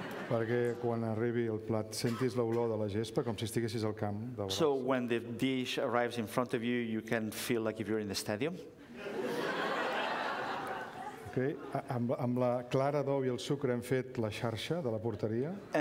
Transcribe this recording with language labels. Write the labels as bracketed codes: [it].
[ca] Perquè quan arribi el plat sentis l'olor de la gespa com si estiguessis al camp. [en] So when the dish arrives in front of you, you can feel like if you're in the stadium. Okay. [ca] Amb la clara d'ou i el sucre hem fet la xarxa de la porteria.